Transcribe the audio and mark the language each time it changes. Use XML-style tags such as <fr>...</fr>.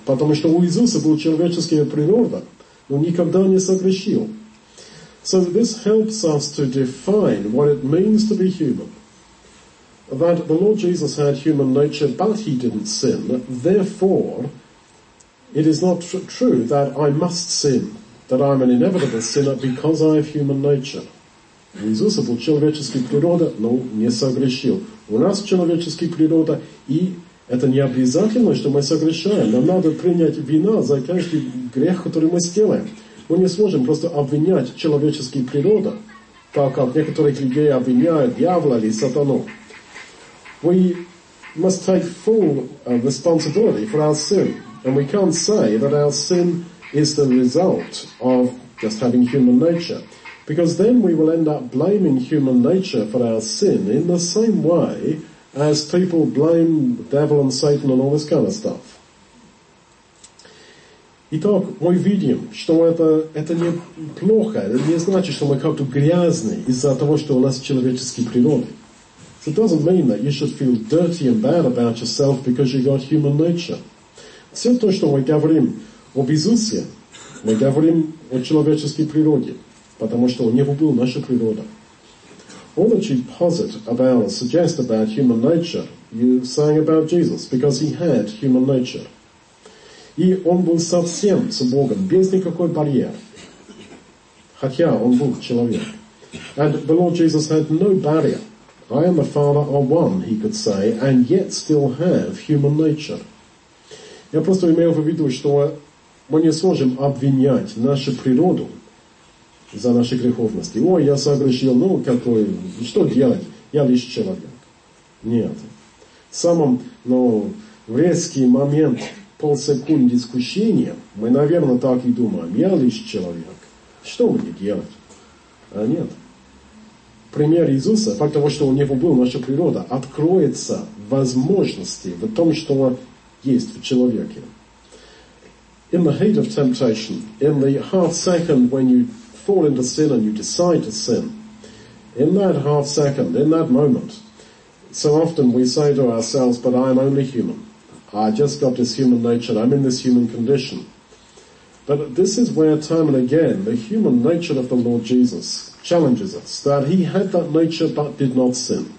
<ru>Потому что у Иисуса была человеческая природа, но никогда не согрешил.</ru> <en>So this helps us to define what it means to be human. That the Lord Jesus had human nature, but He didn't sin. Therefore, it is not true that I must sin, that I'm an inevitable sinner because I have human nature.</en> <ru>Иисус был человеческий природа, но не согрешил. У нас человеческий природа, и это не обязательно, что мы согрешаем. Нам надо принять вину за каждый грех, который мы сделаем. Мы не сможем просто обвинять человеческую природу, так как некоторых людей обвиняют дьявола или сатану.</ru> <en>We must take full responsibility for our sin. And we can't say that our sin is the result of just having human nature. Because then we will end up blaming human nature for our sin in the same way as people blame the devil and Satan and all this kind of stuff.</en> <ru>Итак, мы видим, что это не плохо, это не значит, что мы как-то грязны из-за того, что у нас человеческая природа.</ru> <en>So it doesn't mean that you should feel dirty and bad about yourself because you've got human nature.</en> <ru>Все то, что мы говорим об Иисусе, мы говорим о человеческой природе, потому что у него была наша природа.</ru> <en>All that you posit about, suggest about human nature, you're saying about Jesus, because He had human nature.</en> <ru>И он был совсем с Богом, без никакой барьер. Хотя он был человек.</ru> <en>And the Lord Jesus had no barrier. I and the Father are one, he could say, and yet still have human nature.</en> <ru>Я просто имею в виду, что мы не сможем обвинять нашу природу за наши греховности. Ой, я согрешил, ну какой, что делать? Я лишь человек. Нет. Самым, ну, резкий момент, полсекунды искушения, мы, наверное, так и думаем. Я лишь человек. Что мне делать? А нет. Пример Иисуса, факт того, что у него была наша природа, откроется возможности в том, что есть в человеке.</ru> <en>In the heat of temptation, in the half second when you fall into sin and you decide to sin, in that half second, in that moment, so often we say to ourselves, but I am only human. I just got this human nature. I'm in this human condition. But this is where, time and again, the human nature of the Lord Jesus challenges us, that He had that nature but did not sin.</en>